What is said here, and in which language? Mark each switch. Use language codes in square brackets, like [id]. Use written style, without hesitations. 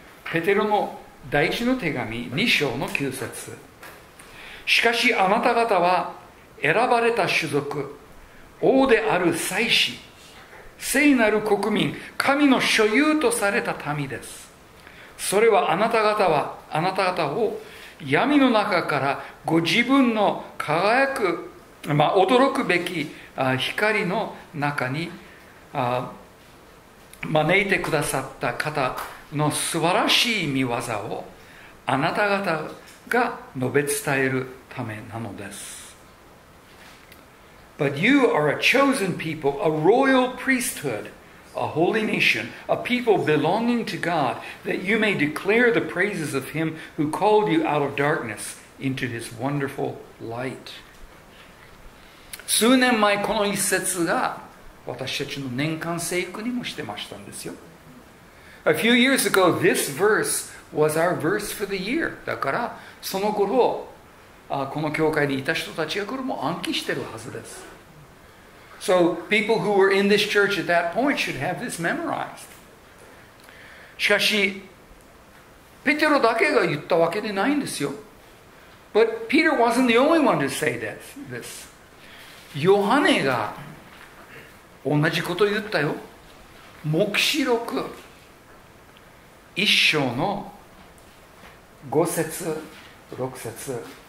[ja] ペテロの第一の手紙2章の9節しかしあなた方は選ばれた種族王である祭司聖なる国民神の所有とされた民ですそれはあなた方はあなた方を闇の中からご自分の輝く、まあ、驚くべき光の中に招いてくださった方の素晴らしい御業をあなた方が述べ伝えるためなのです。 [en] But you are a chosen people, a royal priesthood, a holy nation, a people belonging to God, that you may declare the praises of him who called you out of darkness into his wonderful light. [ja] 数年前この一節が私たちの年間聖句にもしてましたんですよ。 [en] A few years ago, this verse was our verse for the year. [ja] だから、その頃、この教会にいた人たちが頃も暗記してるはずです。 [en] So, people who were in this church at that point should have this memorized. [ja] しかし、ペテロだけが言ったわけでないんですよ。 [en] But Peter wasn't the only one to say this. [ja] ヨハネが同じことを言ったよ。黙示録。一章の五節、六節。